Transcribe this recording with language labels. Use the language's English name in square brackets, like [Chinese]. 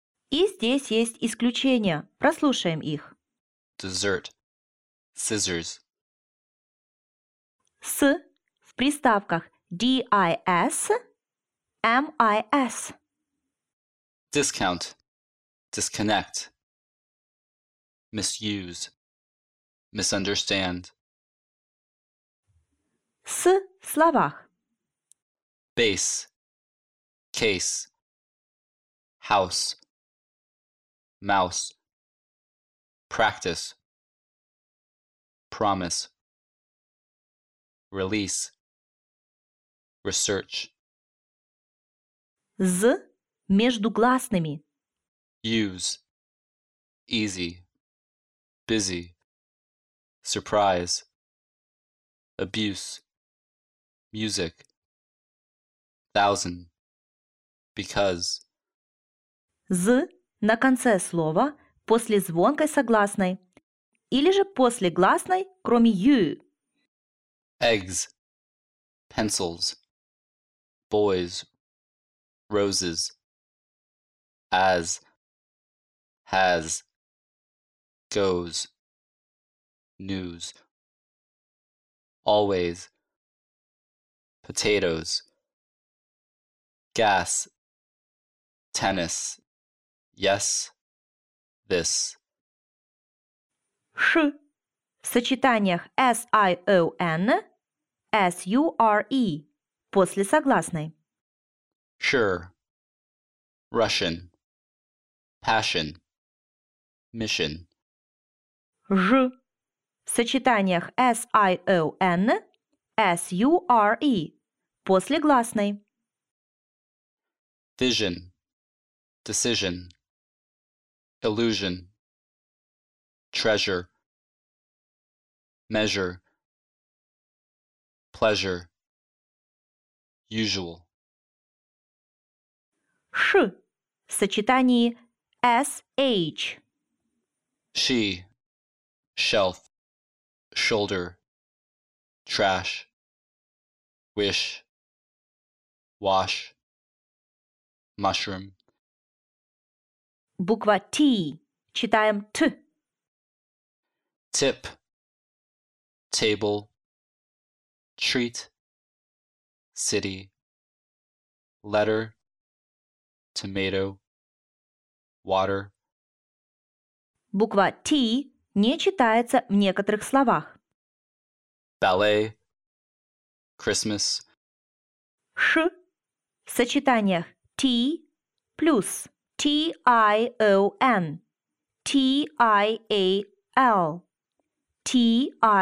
[Russian] И здесь есть исключения. Прослушаем их. [English] Dessert, scissors. [Russian] С в приставках D-I-S, M-I-S. [English] Discount, disconnect, misuse, misunderstand. [Russian] С в словах. [English] Base, case, house, mouse, practice, promise, release, research. [Russian] З между гласными. [English] Use, easy, busy, surprise, abuse, music, thousand, because. [Russian] З на конце слова после звонкой согласной или же после гласной, кроме ю. [English] Eggs, pencils, boys, roses, as, has, goes, news, always, potatoes, gas, tennis, yes, this. [Russian] Ш в сочетаниях S-I-O-N, S-U-R-E, после согласной. [English] Sure, Russian, passion, mission. [Russian] Ж в сочетаниях S-I-O-N, S-U-R-E, после гласной. [English] Vision, decision, illusion, treasure, measure, pleasure, usual. [Russian] Ш в сочетании SH. [English] She, shelf, shoulder, trash, wish, wash, mushroom. [Russian] Буква T. Читаем Т. [English] Tip, table, treat, city, letter, tomato, water. [Russian] Буква T не читается в некоторых словах. [English] Ballet, Christmas. [Russian] Ш в сочетаниях T плюс T-I-O-N, T-I-A-L, T-I-E-N-T.